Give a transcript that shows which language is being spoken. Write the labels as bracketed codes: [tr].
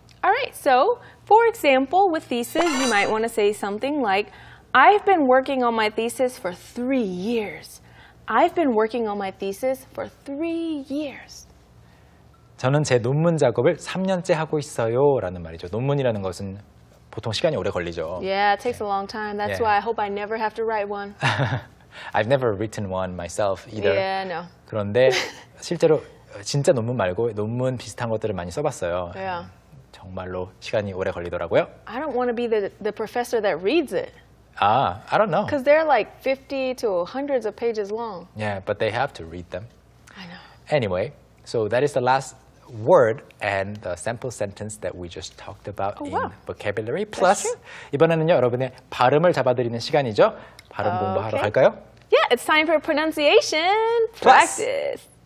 [en] Alright, so for example, with thesis, you might want to say something like I've been working on my thesis for 3 years. I've been working on my thesis for 3 years. [ko] 저는 제 논문 작업을 3년째 하고 있어요라는 말이죠. 논문이라는 것은 보통 시간이 오래 걸리죠. [en] Yeah, it takes a long time. That's why I hope I never have to write one. I've never written one myself either. Yeah, no. [ko] 그런데 실제로 진짜 논문 말고 논문 비슷한 것들을 많이 써봤어요. [en] Yeah. [ko] 정말로 시간이 오래 걸리더라고요. [en] I don't want to be the professor that reads it. Ah, I don't know. Because they're like 50 to hundreds of pages long. Yeah, but they have to read them. I know. Anyway, so that is the last word and the sample sentence that we just talked about oh, in wow. vocabulary. [ko] Plus, 이번에는요, 여러분의 발음을 잡아드리는 시간이죠. 발음 [en] okay. [ko] 공부하러 갈까요? [en] Yeah, it's time for pronunciation practice.